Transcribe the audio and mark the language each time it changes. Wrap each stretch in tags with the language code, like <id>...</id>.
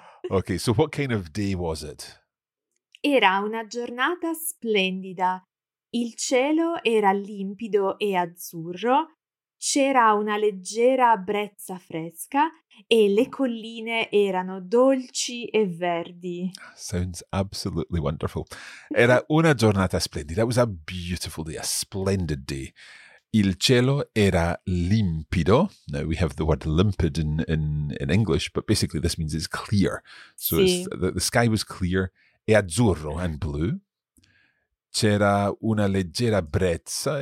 <en>Okay, so what kind of day was it?</en> <it>Era una giornata splendida. Il cielo era limpido e azzurro. C'era una leggera brezza fresca e le colline erano dolci e verdi.</it> <en>Sounds absolutely wonderful.</en> <it>Era una giornata splendida.</it> <en>It was a beautiful day, a splendid day.</en> <it>Il cielo era limpido.</it> <en>Now we have the word limpid in English, but basically this means it's clear. So</en> <it>sì.</it> <en>It's, the sky was clear.</en> <it>E azzurro</it> <en>and blue.</en> <it>C'era una leggera brezza.</it>